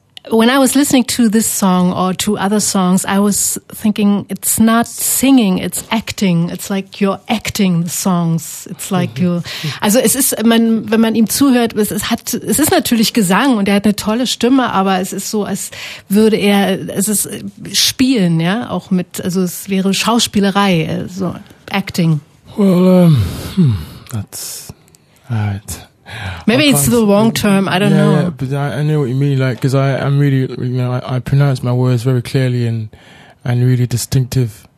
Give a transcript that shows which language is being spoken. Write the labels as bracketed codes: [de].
[en] When I was listening to this song or to other songs, I was thinking, it's not singing, it's acting. It's like you're acting the songs. It's like you. [de] Also es ist, wenn man ihm zuhört, es ist natürlich Gesang und er hat eine tolle Stimme, aber es ist so, als würde er, es ist spielen, ja, auch mit, also es wäre Schauspielerei, so acting. [en] Well, that's right. Maybe it's the wrong term, I don't know. Yeah, but I know what you mean, like, because I'm really, you know, I pronounce my words very clearly and really distinctive.